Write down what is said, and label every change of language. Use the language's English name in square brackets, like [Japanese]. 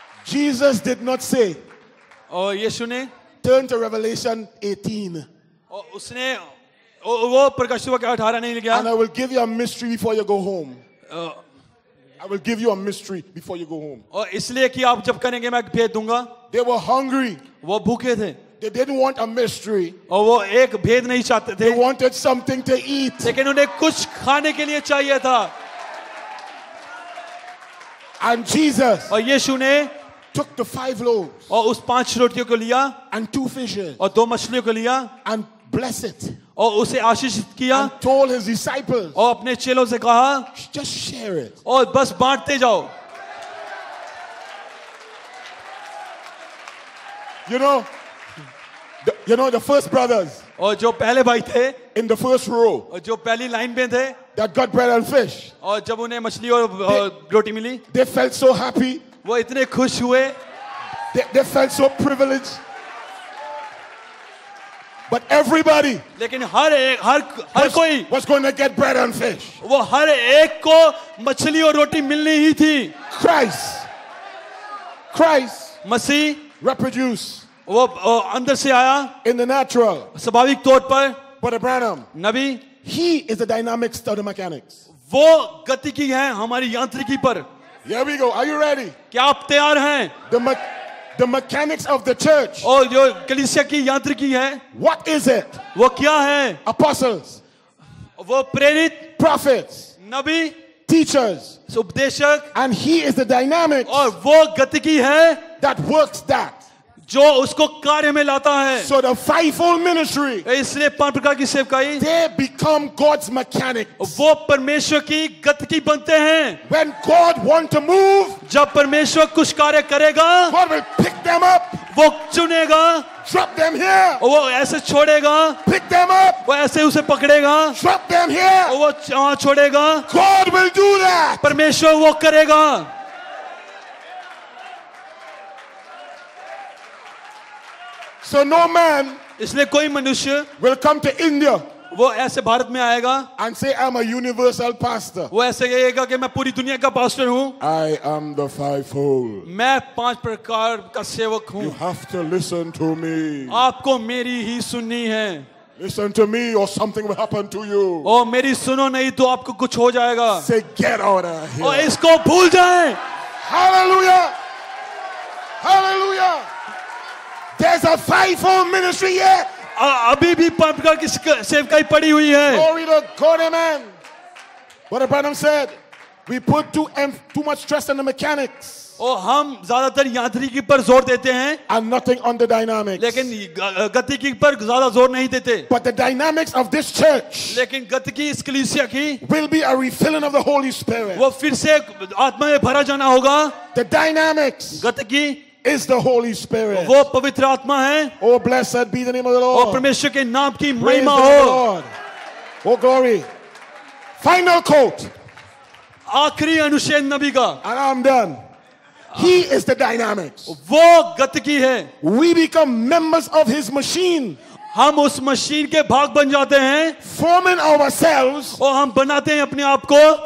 [English] Jesus did not say. [Hindi] Oh, यीशु ने. [English] Turn to Revelation 18. [Hindi] और उसने वो प्रकाशितवाक्य 18 नहीं ले गया. [English] And I will give you a mystery before you go home. I will give you a mystery before you go home. [Hindi] और इसलिए कि आप जब करेंगे मैं भेद दूंगा. [English] They were hungry. [Hindi] वो भूखे थे. [English] They didn't want a mystery. [Hindi] और वो एक भेद नहीं चाहते थे. [English] They wanted something to eat. [Hindi] लेकिन उन्हें कुछ खाने के लिए चाहिए था. [English] And Jesus. [Hindi] और यीशु ने. [English] Took the 5 loaves. [Hindi] और उस 5 रोटियों को लिया. [English] And 2 fishes. [Hindi] और 2 मछलियों को लिया. [English] And blessed it. [Hindi] और उसे आशीषित किया. [English] And told his disciples. [Hindi] और अपने चेलों से कहा. [English] Just share it. [Hindi] और बस बांटते जाओ. [English] You know. You know the first brothers. [Hindi] और जो पहले भाई थे. [English] In the first row. [Hindi] और जो पहली लाइन में थे. [English] That got bread and fish. [Hindi] और जब उन्हें मछली और रोटी मिली. [English] They felt so happy. [Hindi] वो इतने खुश हुए. [English] They felt so privileged. But everybody. [Hindi] लेकिन हर एक हर कोई. [English] Was going to get bread and fish. [Hindi] वो हर एक को मछली और रोटी मिलनी ही थी. [English] Christ. Christ. [Hindi] मसीह. [English] Reproduce. [Hindi] वो अंदर से आया. [English] In the natural. [Hindi] स्वाभाविक तौर पर. [English] But Abraham. [Hindi] Nabi. [English] He is the dynamics of the mechanics. [Hindi] वो गति की है हमारी यांत्रिकी पर. [English] Here we go. Are you ready? [Hindi] क्या आप तैयार हैं? [English] The mechanics of the church. [Hindi] और जो कलीसिया की यांत्रिकी है. [English] What is it? [Hindi] वो क्या है? [English] Apostles. [Hindi] वो प्रेरित. [English] Prophets. [Hindi] नबी. [English] Teachers. [Hindi] उपदेशक. [English] And he is the dynamics. [Hindi] और वो गति की है. [English] That works that. [Hindi] जो उसको कार्य में लाता है. [English] So the fivefold ministry. [Hindi] इसलिए 5 प्रकार की सेवकाई. [English] They become God's mechanics. [Hindi] वो परमेश्वर की गतिकी बनते हैं. [English] When God want to move. [Hindi] जब परमेश्वर कुछ कार्य करेगा. [English] God will pick them up. [Hindi] वो चुनेगा. [English] Drop them here. [Hindi] वो ऐसे छोड़ेगा. [English] Pick them up. [Hindi] वो ऐसे उसे पकड़ेगा. [English] Drop them here. [Hindi] वो वहाँ छोड़ेगा. [English] God will do that. [Hindi] परमेश्वर वो करेगा. [English] So no man. [Hindi] इसलिए कोई मनुष्य. [English] Will come to India. [Hindi] वो ऐसे भारत में आएगा. [English] And say I'm a universal pastor. [Hindi] वो ऐसे कहेगा कि मैं पूरी दुनिया का पास्टर हूँ. [English] I am the fivefold. [Hindi] मैं 5 प्रकार का सेवक हूँ. [English] You have to listen to me. [Hindi] आपको मेरी ही सुननी है. [English] Listen to me, or something will happen to you. [Hindi] और मेरी सुनो नहीं तो आपको कुछ हो जाएगा. [English] Say get out of here. [Hindi] और इसको भूल जाएं. [English] Hallelujah. Hallelujah. There's a fivefold ministry here. [Hindi] अभी भी 5 प्रकार की सेवकाई पड़ी हुई है. [English] Glory to God, amen. But Abraham said, we put too much stress on the mechanics. [Hindi] और हम ज्यादातर यांत्रिकी पर जोर देते हैं. [English] And nothing on the dynamics. [Hindi] लेकिन गतिकी पर ज्यादा जोर नहीं देते. [English] But the dynamics of this church. [Hindi] लेकिन गतिकी इस कलीसिया की. [English] Will be a refilling of the Holy Spirit. [Hindi] वो फिर से आत्मा में भरा जाना होगा. [English] The dynamics. [Hindi] गतिकी. [English] Is the Holy Spirit? [Hindi] वो पवित्र आत्मा है. [English] Oh, blessed be the name of the Lord. [Hindi] और परमेश्वर के नाम की महिमा [English] हो. Oh, glory. Final quote. [Hindi] आखिरी अनुच्छेद नबी का. [English] And I'm done. He is the dynamics. [Hindi] वो गतिकी है. [English] We become members of His machine. [Hindi] हम उस मशीन के भाग बन जाते हैं. [English] Forming ourselves. [Hindi] और हम बनाते हैं अपने आप को.